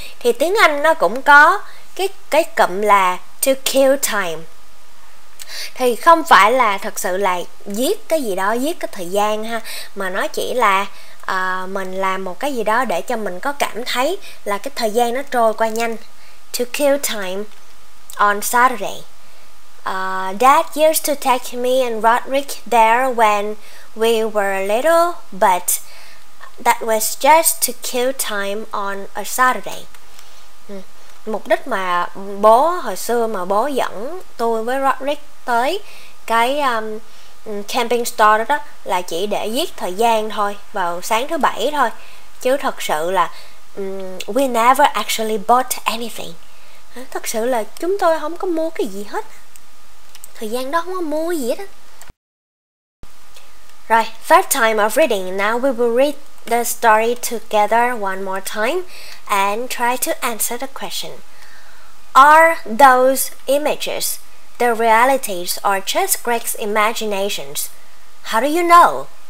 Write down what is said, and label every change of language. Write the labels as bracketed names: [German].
[Vietnamese] Thì tiếng Anh nó cũng có cái cụm là [English] to kill time. [Vietnamese] Thì không phải là thật sự là giết cái gì đó, giết cái thời gian ha, mà nó chỉ là mình làm một cái gì đó để cho mình có cảm thấy là cái thời gian nó trôi qua nhanh. [English] To kill time on Saturday. Dad used to take me and Roderick there when we were little, but that was just to kill time on a Saturday. [Vietnamese] Mục đích mà bố hồi xưa mà bố dẫn tôi với Roderick tới cái camping store đó là chỉ để giết thời gian thôi, vào sáng thứ bảy thôi, chứ thật sự là [English] we never actually bought anything. [Vietnamese] Thật sự là chúng tôi không có mua cái gì hết, thời gian đó không có mua gì hết. [English] Right, third time of reading. Now we will read the story together one more time and try to answer the question. Are those images the realities or just Greg's imaginations? How do you know?